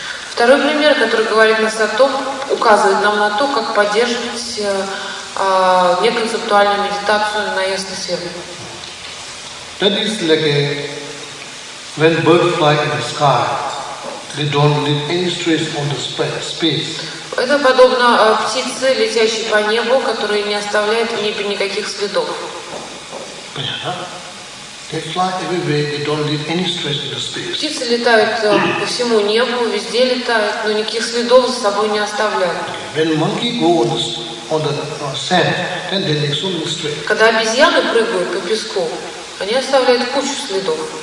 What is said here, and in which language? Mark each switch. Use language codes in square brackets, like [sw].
[ru] Второй пример, который говорит нас о том, указывает нам на то, как поддерживать неконцептуальную медитацию на ясный свет. [en] That is like a, when birds fly in the sky, they don't leave any trace on the space. [ru] Это подобно птице, летящей по небу, которая не оставляет в небе никаких следов. [en] They fly everywhere, they don't leave any trace in the space. [ru] Птицы летают по всему небу, везде летают, но никаких следов за собой не оставляют. [en] When monkey goes on the sand, then they leave so many trace. [ru] Когда обезьяны прыгают по песку, они оставляют кучу следов.